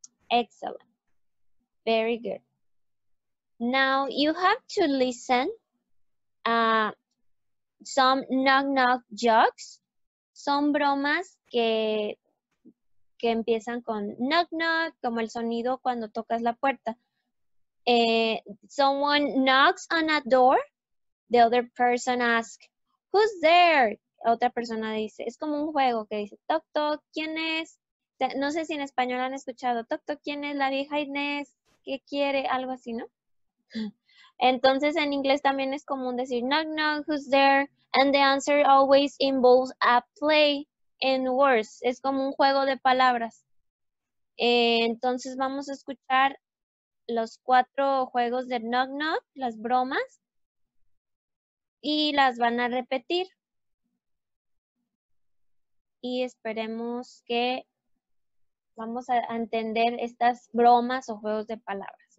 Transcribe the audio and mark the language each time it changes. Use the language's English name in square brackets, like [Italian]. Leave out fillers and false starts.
[English] Excellent. Very good. Now you have to listen some knock-knock jokes, [Spanish] son bromas que empiezan con knock-knock, como el sonido cuando tocas la puerta. [English] Someone knocks on a door, the other person asks, who's there? [Spanish] Otra persona dice, es como un juego que dice, toc, toc, ¿quién es? No sé si en español han escuchado, toc, toc, ¿quién es? La vieja Inés, ¿qué quiere? Algo así, ¿no? Entonces, en inglés también es común decir, [English] knock, knock, who's there? And the answer always involves a play in words. [Spanish] Es como un juego de palabras. Entonces, vamos a escuchar los 4 juegos de knock, knock, las bromas. Y las van a repetir. Y esperemos que vamos a entender estas bromas o juegos de palabras.